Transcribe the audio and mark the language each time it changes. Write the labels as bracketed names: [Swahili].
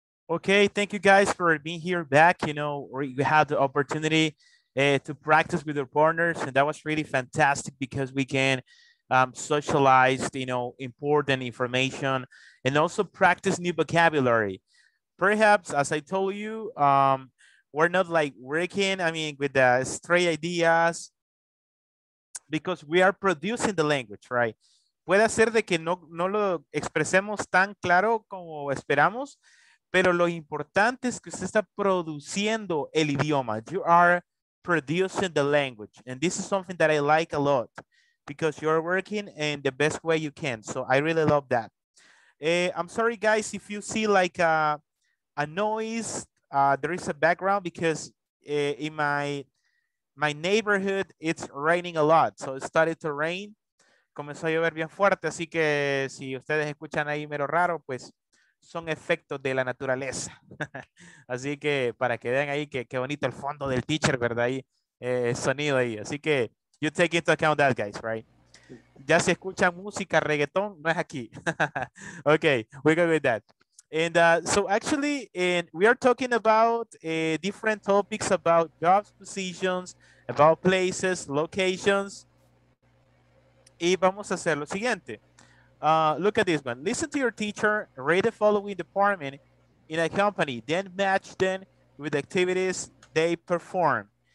[English] Okay, thank you guys for being here back. You know, we had the opportunity to practice with our partners, and that was really fantastic because we can socialize, you know, important information and also practice new vocabulary. Perhaps, as I told you, we're not like working, I mean, with the stray ideas because we are producing the language, right? [Spanish] Puede ser de que no lo expresemos tan claro como esperamos. Pero lo importante es que usted está produciendo el idioma. [English] You are producing the language. And this is something that I like a lot because you're working in the best way you can. So I really love that. I'm sorry, guys, if you see like a noise, there is a background because in my neighborhood, it's raining a lot. So it started to rain. [Spanish] Comenzó a llover bien fuerte. Así que si ustedes escuchan ahí mero raro, pues son efectos de la naturaleza. Así que para que vean ahí qué bonito el fondo del teacher, ¿verdad? Ahí sonido ahí. Así que [English] you take into account that, guys, right? [Spanish] Ya si escuchan música, reggaetón, no es aquí. [English] Okay, we're good with that. And so actually, we are talking about different topics about jobs, positions, about places, locations. [Spanish] Y vamos a hacer lo siguiente. [English] Look at this one. Listen to your teacher, rate the following department in a company, then match them with activities they perform.